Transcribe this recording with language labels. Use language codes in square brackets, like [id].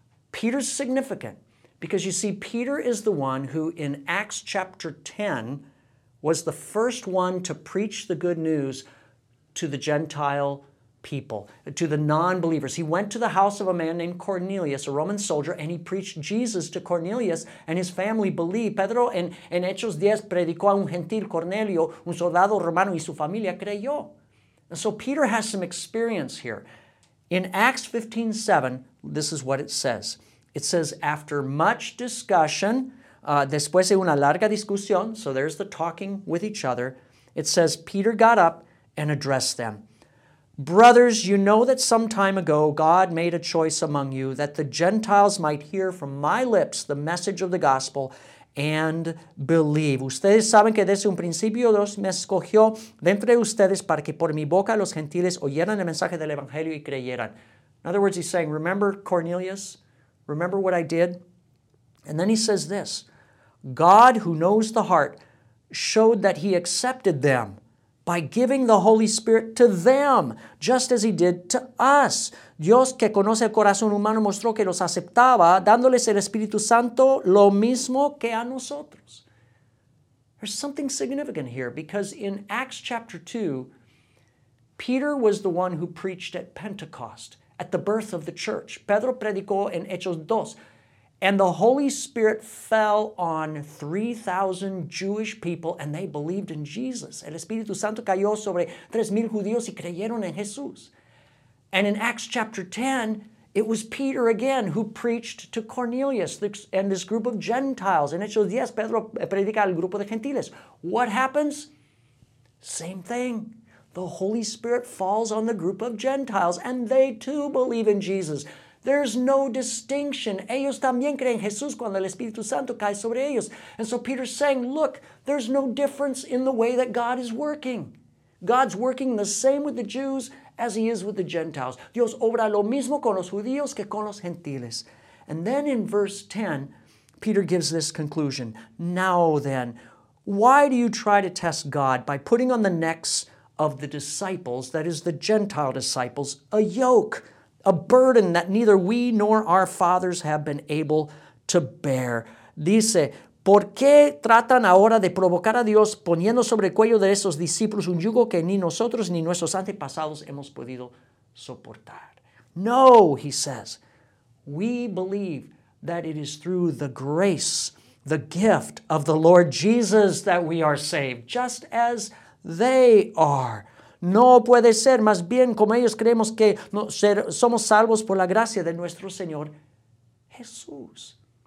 [en] Peter's significant because, you see, Peter is the one who in Acts chapter 10 was the first one to preach the good news to the Gentile people, to the non-believers. He went to the house of a man named Cornelius, a Roman soldier, and he preached Jesus to Cornelius and his family believed. [es] Pedro, en Hechos 10, predicó a un gentil Cornelio, un soldado romano, y su familia creyó. [en] And so Peter has some experience here. In Acts 15:7, this is what it says. It says, after much discussion, [es] después de una larga discusión, [en] so there's the talking with each other, it says, Peter got up and addressed them. Brothers, you know that some time ago God made a choice among you that the Gentiles might hear from my lips the message of the gospel and believe. [es] Ustedes saben que desde un principio Dios me escogió dentro de ustedes para que por mi boca los gentiles oyeran el mensaje del evangelio y creyeran. [en] In other words, he's saying, remember Cornelius? Remember what I did? And then he says this, God, who knows the heart, showed that he accepted them by giving the Holy Spirit to them, just as he did to us. [es] Dios, que conoce el corazón humano, mostró que los aceptaba, dándoles el Espíritu Santo lo mismo que a nosotros. [en] There's something significant here, because in Acts chapter 2, Peter was the one who preached at Pentecost, at the birth of the church. [es] Pedro predicó en Hechos 2. [en] And the Holy Spirit fell on 3,000 Jewish people, and they believed in Jesus. [es] El Espíritu Santo cayó sobre 3,000 judíos y creyeron en Jesús. [en] And in Acts chapter 10, it was Peter again who preached to Cornelius and this group of Gentiles. [es] En Hechos 10, Pedro predica al grupo de Gentiles. [en] What happens? Same thing. The Holy Spirit falls on the group of Gentiles, and they too believe in Jesus. There's no distinction. [es] Ellos también creen Jesús cuando el Espíritu Santo cae sobre ellos. [en] And so Peter's saying, look, there's no difference in the way that God is working. God's working the same with the Jews as he is with the Gentiles. [es] Dios obra lo mismo con los judíos que con los gentiles. [en] And then in verse 10, Peter gives this conclusion. Now then, why do you try to test God by putting on the necks of the disciples, that is the Gentile disciples, a yoke, a burden that neither we nor our fathers have been able to bear? [es] Dice, ¿por qué tratan ahora de provocar a Dios poniendo sobre el cuello de esos discípulos un yugo que ni nosotros ni nuestros antepasados hemos podido soportar? [en] No, he says, we believe that it is through the grace, the gift of the Lord Jesus that we are saved, just as they are. [es] No puede ser, más bien como ellos creemos que somos salvos por la gracia de nuestro Señor Jesús.